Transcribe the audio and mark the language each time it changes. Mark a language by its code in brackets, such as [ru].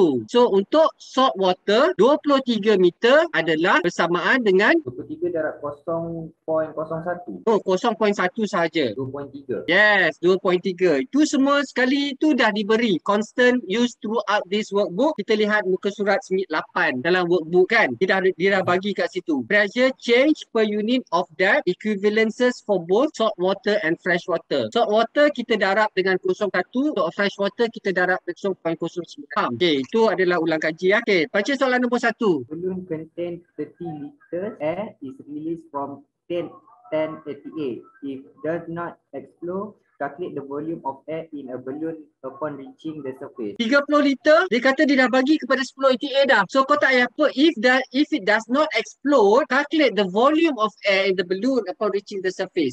[ms] So untuk salt water, 23 meter adalah bersamaan dengan 23 darab 0.01. Oh, 0.1 sahaja. 2.3. [en] Yes, 2.3. [ms] Itu semua sekali itu dah diberi. [en] Constant use throughout this workbook. [ms] Kita lihat muka surat 8 dalam workbook kan. Dia dah bagi kat situ. [en] Pressure change per unit of depth equivalences for both salt water and fresh water. [ms] Salt water kita darab dengan 0.1. So fresh water kita darab dengan 0.09. Okay, itu adalah ulang kaji ya. Okay, baca soalan nombor 1. [en] Volume contain 30 liters air is released from 10 ATA. If does not explode, calculate the volume of air in a balloon upon reaching the surface. [ms] 30 liter, dia kata dia dah bagi kepada 10 ATA dah. So kau tak payah apa, [en] if it does not explode, calculate the volume of air in the balloon upon reaching the surface.